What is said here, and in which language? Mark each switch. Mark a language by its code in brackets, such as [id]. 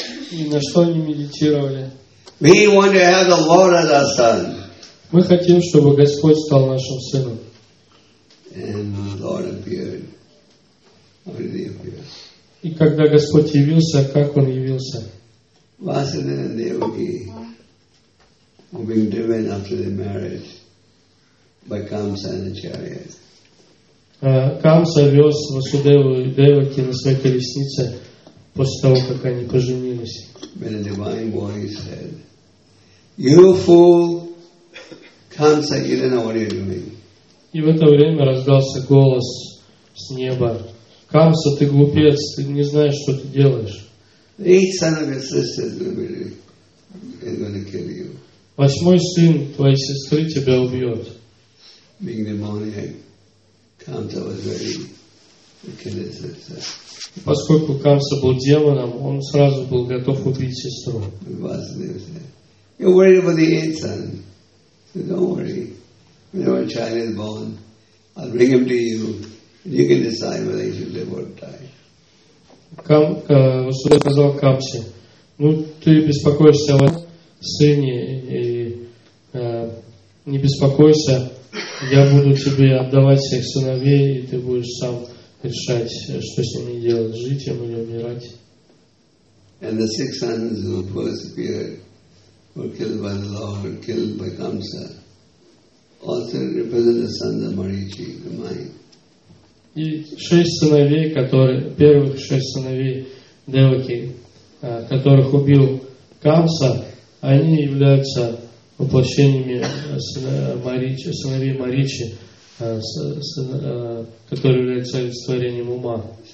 [ru] И на что они медитировали? [en] We want to have the Lord as our son. [ru] Мы хотим, чтобы Господь стал нашим сыном. [en] And the Lord appeared. How did he appear? [ru] И когда Господь явился, как Он явился? [en] Vasudeva Devaki. Being driven after the marriage by Kamsa and the chariot. [ru] Kamsa вез Васудеву и Деваки на своей колеснице после того, как они поженились. [en] When a divine voice said, "You fool, Kamsa, you don't know what you're doing." [ru] И в это время раздался голос с неба: "Kamsa, ты глупец, ты не знаешь, что ты делаешь." [en] Each son of your sisters is going to kill you. [ru] Восьмой сын твоей сестры тебя убьет. [en] Being demoniac, Kamsa was ready to kill his sister. [ru] Поскольку Камса был демоном, он сразу был готов убить сестру. [en] Vasudeva said, "You're worried about the eighth son. So don't worry. Whenever a child is born, I'll bring him to you, and you can decide whether he should live or die." [ru] Васудева сказал Камсе: "Ну, ты беспокоишься о сыне, не беспокойся, я буду тебе отдавать всех сыновей, и ты будешь сам решать, что с ними делать, жить им или умирать." [en] And the six sons who first appeared were killed by the Lord, killed by Kamsa, also represent the sons of Marichi, the mind. [ru] И шесть сыновей, первых шесть сыновей Деваки, которых убил Камса, они являются воплощениями сыновей Маричи, которые являются олицетворением ума.